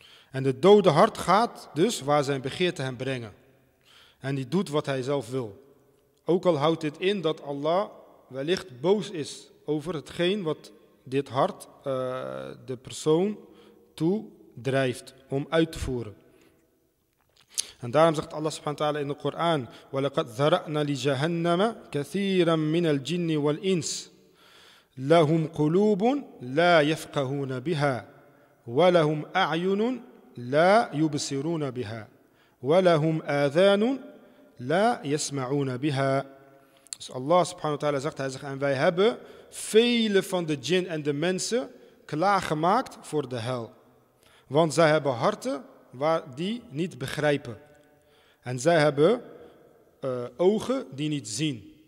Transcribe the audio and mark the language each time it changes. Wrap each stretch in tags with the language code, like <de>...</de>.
<nl>En het dode hart gaat dus waar zijn begeerte hem brengen. En die doet wat hij zelf wil. Ook al houdt dit in dat Allah wellicht boos is over hetgeen wat dit hart de persoon toe drijft om uit te voeren. En daarom zegt Allah subhanahu wa ta'ala in de Koran:</nl> <ar>وَلَقَدْ ذَرَأْنَا لِجَهَنَّمَ كَثِيرًا مِنَ الْجِنِّ وَالْإِنْسِ لَهُمْ قُلُوبٌ لَا يَفْقَهُونَ بِهَا وَلَهُمْ أَعْيُنٌ لَا يُبْصِرُونَ بِهَا وَلَهُمْ آذَانٌ لَا يَسْمَعُونَ بِهَا.</ar> <nl>Dus Allah subhanahu wa ta'ala zegt, hij zegt, en wij hebben vele van de jinn en de mensen klaargemaakt voor de hel. Want zij hebben harten waar die niet begrijpen. En zij hebben ogen die niet zien.</nl>